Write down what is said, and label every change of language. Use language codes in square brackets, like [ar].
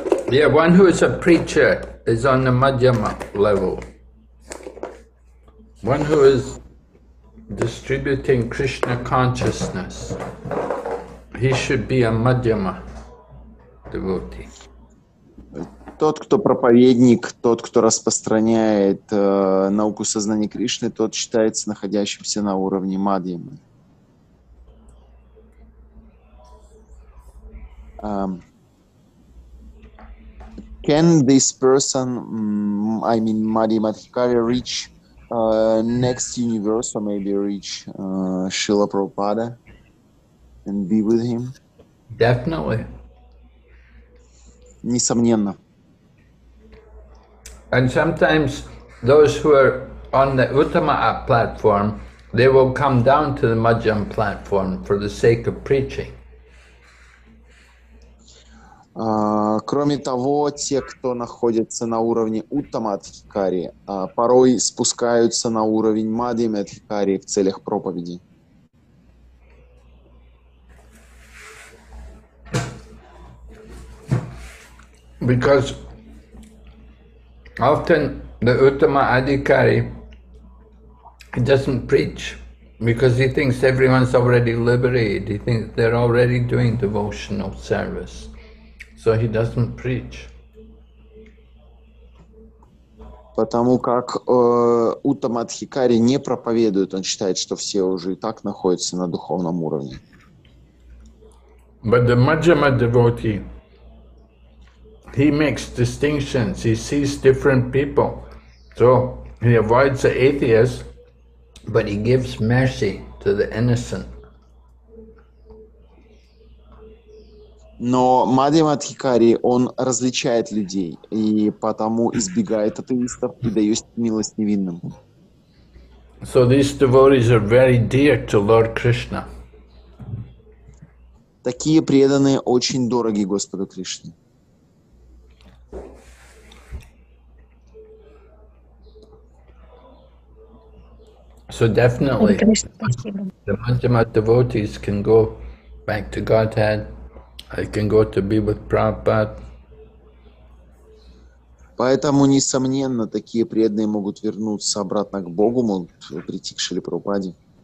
[en] Yeah, one who is a preacher is on the Madhyama level. One who is distributing Krishna consciousness, he should be a Madhyama devotee. [ru] Тот, кто проповедник, тот, кто распространяет науку сознания Кришны, тот считается находящимся на уровне мадхьямы. [en] Can this person, I mean Madhya Madhikari, reach next universe, or maybe reach Srila Prabhupada and be with him? Definitely. [ru] Несомненно. [en] And sometimes those who are on the Uttama platform, they will come down to the Madhyam platform for the sake of preaching. [ru] Кроме того, те, кто находится на уровне Уттама-адхикари, порой спускаются на уровень Мадхьяма-адхикари в целях проповеди. [en] Because often the Uttama-адхикари doesn't preach because he thinks everyone's already liberated. He thinks they're already doing devotional service. So he doesn't preach. [ru] Потому как Уттама-адхикари не проповедует, он считает, что все уже и так находятся на духовном уровне. [en] But the Madhyama devotee, he makes distinctions, he sees different people. So he avoids the atheists, but he gives mercy to the innocent. [ru] Но Мадхьяма-адхикари, он различает людей и потому избегает атеистов и дает милость невинным. [en] So these devotees are very dear to Lord Krishna. [ru] Такие преданные очень дороги Господу Кришне. [en] So definitely the Madhyama devotees can go back to Godhead. I can go to be with Prabhupada. [ru] Поэтому, несомненно, такие преданные могут вернуться обратно к Богу, могут прийти к Шриле Прабхупаде.